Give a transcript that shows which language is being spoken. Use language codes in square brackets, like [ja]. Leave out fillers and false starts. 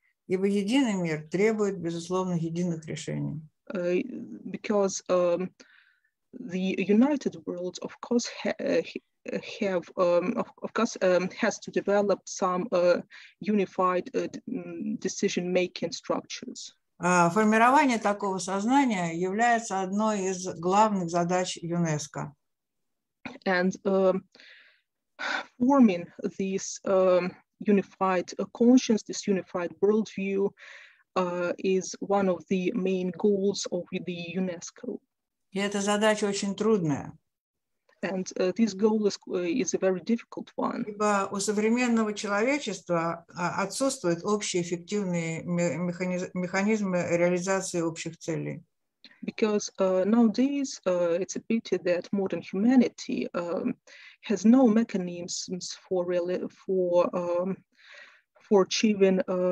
[ru] Ибо единый мир требует безусловно единых решений. [en] Because the united world, of course, has to develop some unified decision-making structures. [ru] Формирование такого сознания является одной из главных задач ЮНЕСКО. [en] And forming this unified conscience, this unified worldview, is one of the main goals of the UNESCO. [ru] И эта задача очень трудная. [en] And this goal is a very difficult one. [ru] Ибо у современного человечества отсутствуют общие эффективные механизмы реализации общих целей. [en] Because nowadays it's a pity that modern humanity has no mechanisms for achieving